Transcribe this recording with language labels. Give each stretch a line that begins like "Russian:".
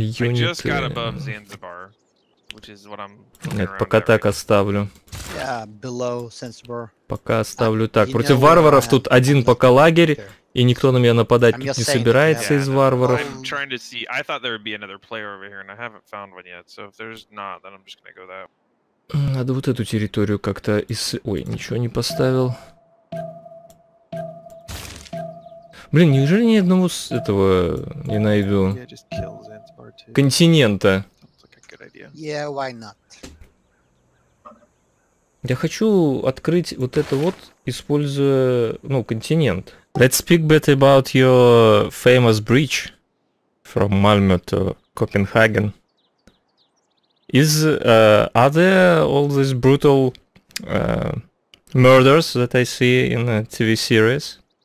English: Unity. I just got above Zanzibar, which is what I'm.
Russian: Нет, пока так
English: right.
Russian: Оставлю.
English: Yeah, below Zanzibar.
Russian: Пока оставлю так. Против варваров тут один пока лагерь, и никто на меня нападать тут не собирается из варваров.
English: I'm trying to see. I thought there would be another player over here, and I haven't found one yet. So if there's not, then I'm just gonna go that.
Russian: Надо вот эту территорию как-то из. Ой, ничего не поставил. Блин, неужели ни одного с этого не найду? Континента.
English: Yeah, why not?
Russian: Я хочу открыть вот это вот, используя, ну, континент.
English: Let's speak a bit about your famous bridge from Malmö to Copenhagen. Is are there all these brutal murders that I see in a TV series?